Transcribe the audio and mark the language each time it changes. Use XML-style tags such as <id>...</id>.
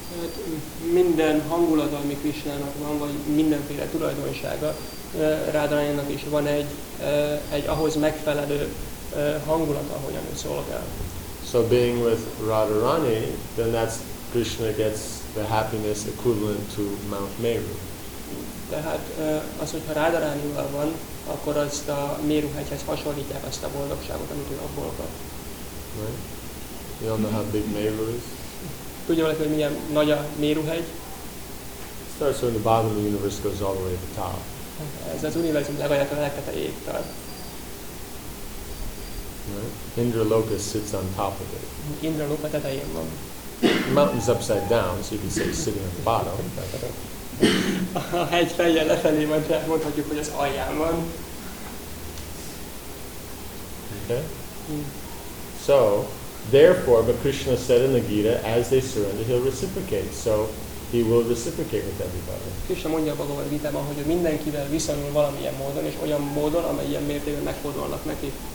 <hu>Tehát minden hangulat, ami Krishnának van, vagy mindenféle tulajdonsága, Radharaninak is van egy ahhoz megfelelő hangulat, ahogyan ő szolgál.</hu> <en>So being with Radharani, then that's Krishna gets the happiness equivalent to Mount Meru.</en> <hu>Tehát az, hogyha Radharanival van, akkor azt a Méruhegyhez hasonlítják azt a boldogságot, amit ő abból kap.</hu> <en>Right. You don't know how big Meru is?</en> <hu>Tudja valaki, hogy milyen nagy a Méruhegy?</hu> <en>It starts from the bottom of the universe, goes all the way to the top.</en> <hu>Ez az univerzum legalább a legtetejéig tart.</hu> <en>Right. Indraloka sits on top of it.</en> <hu>Indraloka tetején van.</hu> <en>The mountain's upside down, so you can say sitting at the bottom.</en> <hu>A hegy fejjel lefelé van, tehát mondhatjuk, hogy az alján van.</hu> <en>Okay. So, therefore, but Krishna said in the Gita, as they surrender, he'll reciprocate. So, he will reciprocate with everybody.</en> <hu>Krishna mondja a Bhagavad Gita-ban, hogy mindenkivel viszonyul valamilyen módon, és olyan módon, amelyen mértékben megfordulnak neki.</hu>